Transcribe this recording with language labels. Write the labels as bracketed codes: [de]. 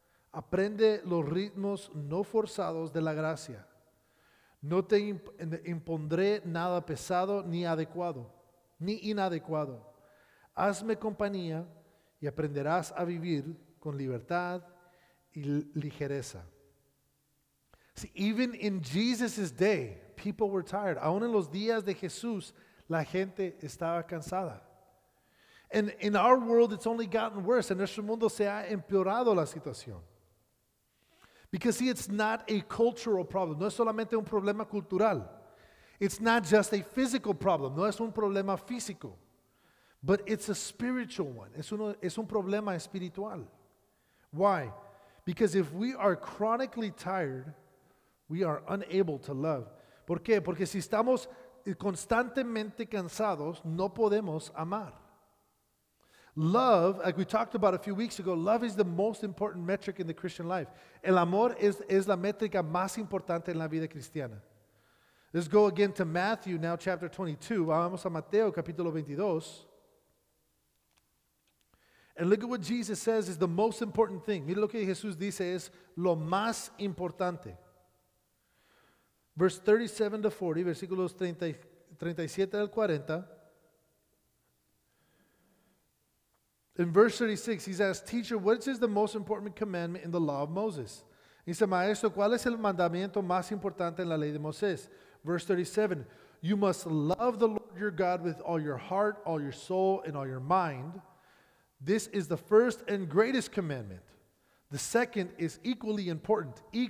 [es] Aprende los ritmos no forzados de la gracia. No te impondré nada pesado ni inadecuado. Hazme compañía y aprenderás a vivir con libertad y ligereza. [en] See, even in Jesus' day, people were tired. [es] Aún en los días de Jesús, la gente estaba cansada. [en] And in our world, it's only gotten worse. [es] En nuestro mundo se ha empeorado la situación. [en] Because see, it's not a cultural problem. [es] No es solamente un problema cultural. [en] It's not just a physical problem. [es] No es un problema físico. [en] But it's a spiritual one. [es] Es un problema espiritual. [en] Why? Because if we are chronically tired, we are unable to love. [es] ¿Por qué? Porque si estamos constantemente cansados, no podemos amar. [en] Love, like we talked about a few weeks ago, love is the most important metric in the Christian life. [es] El amor es la métrica más importante en la vida cristiana. [en] Let's go again to Matthew, now chapter 22. [es] Vamos a Mateo, capítulo 22. [en] And look at what Jesus says is the most important thing. [es] Mira lo que Jesús dice es lo más importante. [en] Verse 37 to 40, [es] versículos 37 al 40. [en] In verse 36, he's asked, "Teacher, which is the most important commandment in the law of Moses?" [es] He said, "Maestro, ¿cuál es el mandamiento más importante en la ley de Moisés?" [en] Verse 37, "You must love the Lord your God with all your heart, all your soul, and all your mind. This is the first and greatest commandment. The second is equally important.